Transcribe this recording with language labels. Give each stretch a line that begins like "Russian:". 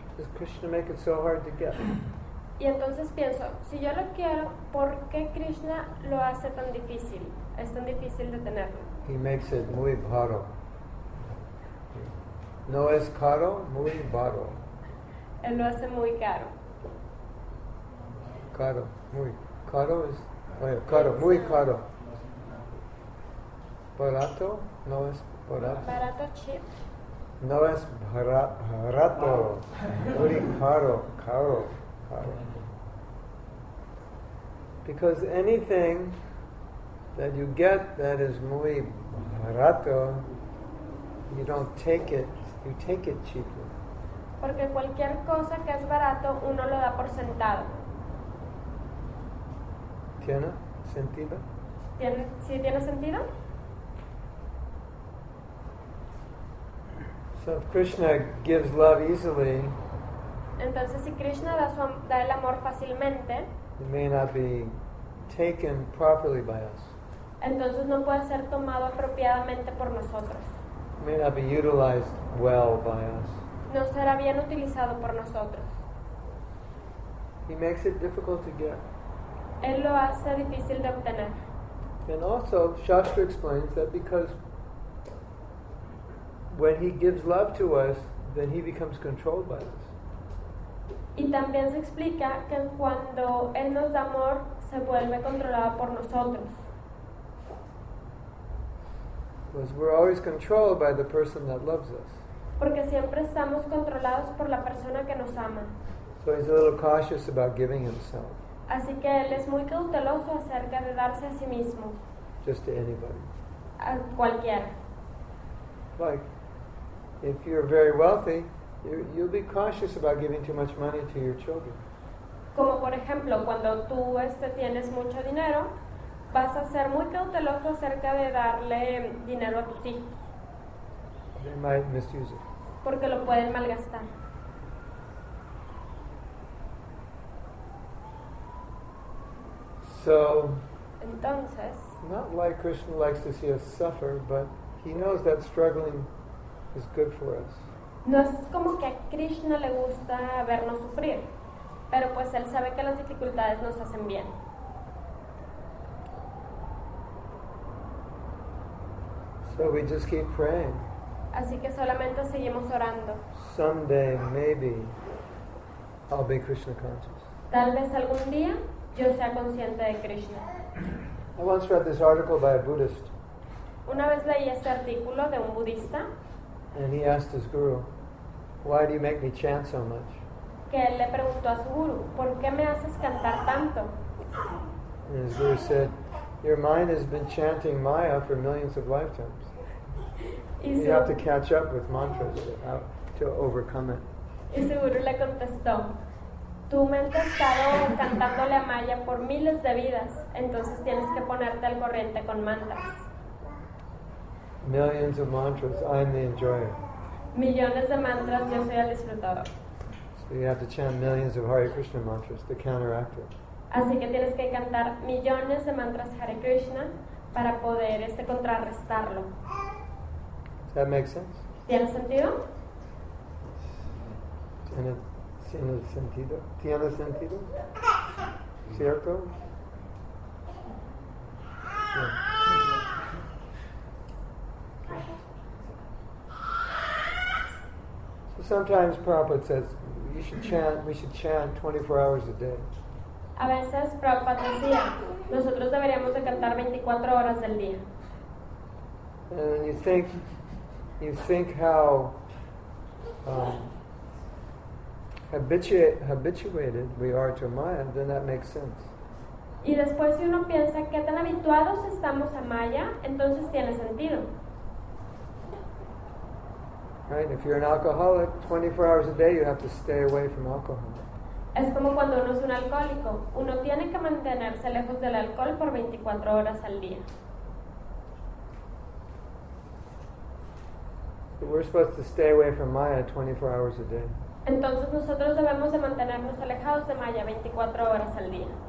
English: Does Krishna make it so hard to get?
Spanish: Y entonces pienso, si yo lo quiero, ¿por qué Krishna lo hace tan difícil? Es tan difícil de tenerlo.
English: He makes it
Spanish: muy baro. No es caro, muy baro. Él lo hace muy caro. Caro, muy. Caro es... Oye, caro, muy caro. barato, no es barato. Barato,
English: cheap.
Spanish: No es barato. Muy caro, caro, caro.
English: Because anything that you get that is
Spanish: muy barato,
English: you don't take it, you take it cheaply.
Spanish: Porque cualquier cosa que es barato, uno lo da por sentado. ¿Tiene sentido? ¿Tiene, sí, tiene sentido?
English: So if Krishna gives love easily,
Spanish: entonces si Krishna da, su, da el amor fácilmente,
English: it may not be taken properly by us.
Spanish: Entonces no puede ser tomado apropiadamente por nosotros.
English: It may not be utilized well by us.
Spanish: No será bien utilizado por nosotros.
English: He makes it difficult to get.
Spanish: Él lo hace difícil de obtener.
English: And also, Shastra explains that because when he gives love to us, then he becomes controlled by us.
Spanish: Y también se explica que cuando él nos da amor, se vuelve controlado por nosotros.
English: Because we're always controlled by the person that loves us.
Spanish: Porque siempre estamos controlados por la persona que nos ama.
English: So he's a little cautious about giving himself.
Spanish: Así que él es muy cauteloso acerca de darse a sí mismo.
English: Just to anybody.
Spanish: A cualquiera.
English: Like, if you're very wealthy, you'll be cautious about giving too much money to your children.
Spanish: Como por ejemplo, cuando tú tienes mucho dinero, vas a ser muy cauteloso acerca de darle dinero a tus hijos.
English: They might misuse it.
Spanish: Porque lo pueden malgastar.
English: So,
Spanish: entonces,
English: not like Krishna likes to see us suffer, but he knows that struggling is good for us.
Spanish: No es como que a Krishna le gusta vernos sufrir, pero pues él sabe que las dificultades nos hacen bien.
English: So we just keep praying.
Spanish: Así que solamente seguimos orando.
English: Someday, maybe, I'll be Krishna conscious.
Spanish: Tal vez algún día yo sea consciente de Krishna.
English: I once read this article by a Buddhist.
Spanish: Una vez leí este artículo de un budista.
English: And he asked his guru, "Why do you make me chant so much?"
Spanish: Que él le preguntó a su guru, "¿Por qué me haces cantar tanto?"
English: And his guru said, "Your mind has been chanting Maya for millions of lifetimes. You have to catch up with mantras to overcome it."
Spanish: Y su guru le contestó, "Tu mente ha estado cantándole a Maya por miles de vidas, entonces tienes que ponerte al corriente con mantras."
English: Millions of mantras, I'm the enjoyer.
Spanish: Millones de mantras, yo soy el disfrutador.
English: So you have to chant millions of Hare Krishna mantras to counteract it.
Spanish: Así que tienes que cantar millones de mantras Hare Krishna para poder contrarrestarlo.
English: Does that make sense?
Spanish: ¿Tiene sentido? ¿Tiene sentido? ¿Tiene sentido? ¿Cierto?
English: Yeah. So sometimes Prabhupada says you should chant, we should chant 24 hours a day.
Spanish: A veces Prabhupada decía, nosotros deberíamos de cantar 24 horas del día.
English: And you think how habituated we are to Maya, then that makes sense.
Spanish: Y después si uno piensa qué tan habituados estamos a Maya, entonces tiene sentido.
English: Right, if you're an alcoholic, 24 hours a day you have to stay away from alcohol.
Spanish: Es como cuando uno es un alcohólico, uno tiene que mantenerse lejos del alcohol por 24 horas al día.
English: So we're supposed to stay away from Maya 24 hours a day.
Spanish: Entonces nosotros debemos de mantenernos alejados de Maya 24 horas al día.